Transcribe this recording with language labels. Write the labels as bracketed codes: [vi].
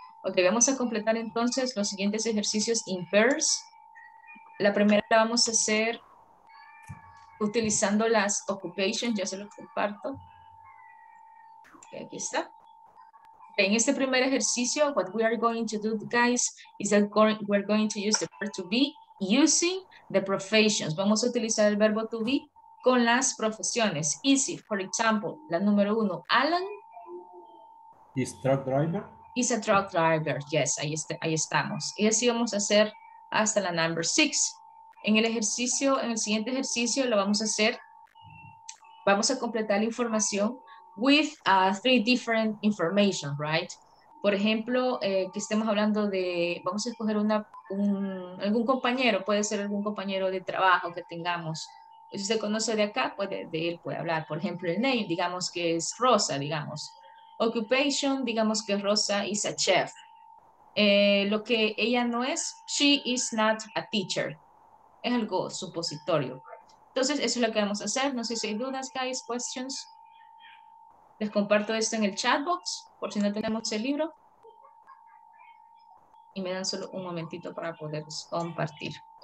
[es] Okay, vamos a completar entonces los siguientes ejercicios [en] in pairs. [es] La primera la vamos a hacer utilizando las occupations. Ya se los comparto. Okay, aquí está. En este primer ejercicio, [en] what we are going to do, guys, is that we're going to use the verb to be using the professions. [es] Vamos a utilizar el verbo to be con las profesiones. [en] Easy, for example, [es] la número uno, [en] Alan. Is truck driver. Is a truck driver, yes, [es] ahí estamos. Y así vamos a hacer hasta la number six. En el siguiente ejercicio lo vamos a hacer, vamos a completar la información [en] with three different information, right? [es] Por ejemplo, que estemos hablando de, vamos a escoger algún compañero, puede ser algún compañero de trabajo que tengamos. Si se conoce de acá, pues de él puede hablar. Por ejemplo, el name, digamos que es Rosa, digamos. Occupation, digamos que Rosa [en] is a chef. [es] Lo que ella no es, [en] she is not a teacher. [es] Es algo supositorio. Entonces, eso es lo que vamos a hacer. No sé si hay dudas, guys, questions. Les comparto esto en el chat box, por si no tenemos el libro. Y me dan solo un momentito para poder compartir.